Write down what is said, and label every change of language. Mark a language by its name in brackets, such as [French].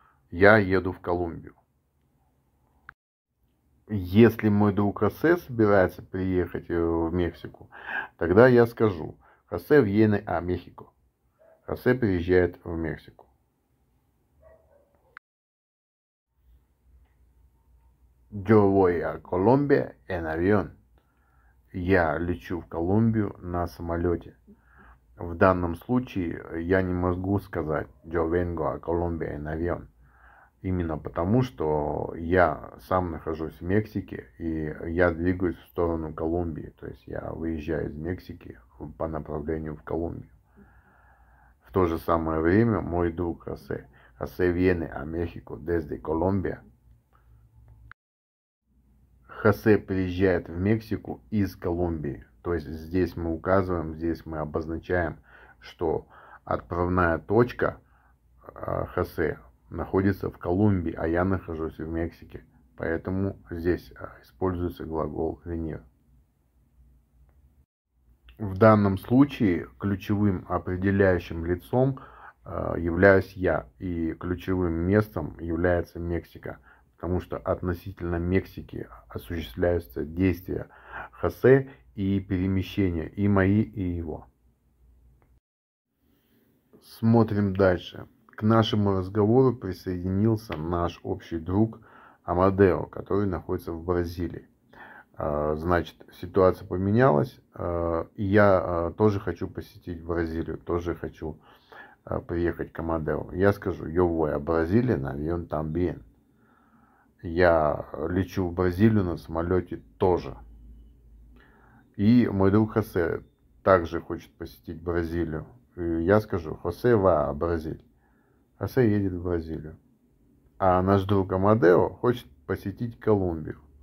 [Russian] Я еду в Колумбию. Если мой друг Хосе собирается приехать в Мексику, тогда я скажу «Хосе [Spanish] viene a México». [Russian] Хосе приезжает в Мексику. [Spanish] Yo voy a Colombia en avión. [Russian] Я лечу в Колумбию на самолете. В данном случае я не могу сказать [Spanish] Yo vengo a Colombia en avión. [Russian] Именно потому, что я сам нахожусь в Мексике и я двигаюсь в сторону Колумбии. То есть я выезжаю из Мексики по направлению в Колумбию. В то же самое время мой друг Хосе. [Spanish] Хосе viene a México desde Colombia. [Russian] Хосе приезжает в Мексику из Колумбии. То есть здесь мы указываем, здесь мы обозначаем, что отправная точка Хосе находится в Колумбии, а я нахожусь в Мексике. Поэтому здесь используется глагол venir. В данном случае ключевым определяющим лицом являюсь я. И ключевым местом является Мексика. Потому что относительно Мексики осуществляются действия Хосе и перемещения и мои, и его. Смотрим дальше. К нашему разговору присоединился наш общий друг Амадео, который находится в Бразилии. Значит, ситуация поменялась, и я тоже хочу посетить Бразилию, тоже хочу приехать к Амадео. Я скажу [Spanish] «Yo voy a Brasilia en avión también». [Russian] Я лечу в Бразилию на самолете тоже. И мой друг Хосе также хочет посетить Бразилию. И я скажу «Хосе [Spanish] va a Brasilia». [Russian] Хосе едет в Бразилию. А наш друг Амадео хочет посетить Колумбию.